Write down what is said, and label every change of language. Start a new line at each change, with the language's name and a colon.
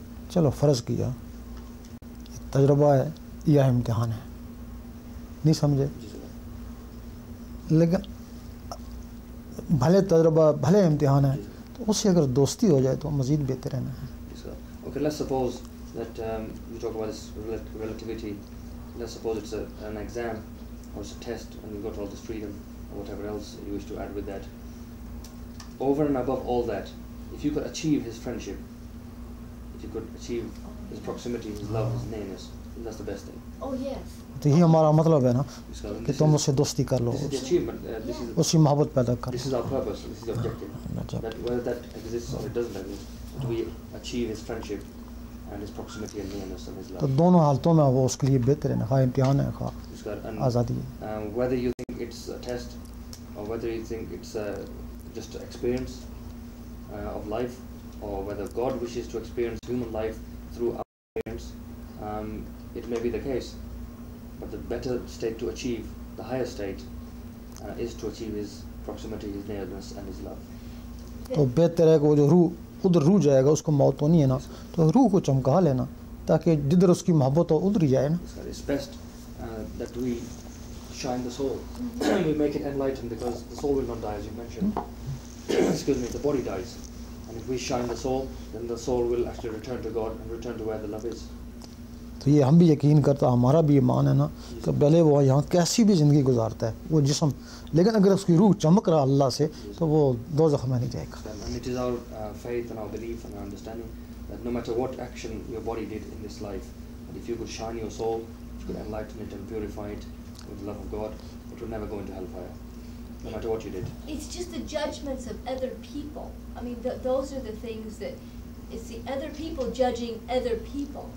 Urdu: چلو فرض کیا تجربہ ہے یا امتحان ہے, نہیں سمجھے, لیکن بھلے تجربہ بھلے امتحان ہے تو اس سے اگر دوستی ہو جائے تو مزید بہتر رہنا ہے.
English: Okay, let's suppose that you talk about this relativity. Let's suppose it's an exam or it's a test and you got all this freedom or whatever else you wish to add with that. Over and above all that, if you could achieve his friendship, if you could achieve his proximity, his love, his nearness, that's the best thing. Oh, yes.
Urdu: تو یہ ہمارا مطلب ہے نا کہ تم اس سے دوستی کر لو, اس سے محبت پیدا کر.
English: This is our purpose, this is objective. That whether that exists or it doesn't exist, do we achieve his friendship and his proximity and nearness and his love.
Urdu: تو دونوں حالتوں میں وہ اس کے لیے بہتر ہے, خواہ امتحان ہے خواہ آزادی.
English: Whether you think it's a test or whether you think it's just an experience of life or whether God wishes to experience human life through our experience, it may be the case. But the better state to achieve, the higher state, is to achieve his proximity, his nearness, and his love.
Urdu: تو بہتر ہے کہ وہ جو روح ادھر روح جائے گا, اس کو موت تو نہیں ہے نا, تو روح کو چمکا لینا تاکہ جدھر اس کی محبت ہو ادھر ہی جائے نا.
English: It's best that we shine the soul. We make it enlightened because the soul will not die, as you mentioned. Excuse me, the body dies. And if we shine the soul, then the soul will actually return to God and return to where the love is.
Urdu: تو یہ ہم بھی یقین کرتا, ہمارا بھی ایمان ہے نا کہ بھلے وہ یہاں کیسی بھی زندگی گزارتا ہے وہ جسم, لیکن اگر اس کی روح چمک رہا اللہ سے تو وہ دوزخ میں نہیں جائے گا.
English: And it is our faith and our belief and our understanding that no matter what action your body did in this life, and if you could shine your soul, if you could enlighten it and purify it with the love of God, it would never go into hellfire, no matter what you did. It's just the judgments of other people. I mean, those are the things that it's the other people judging other people.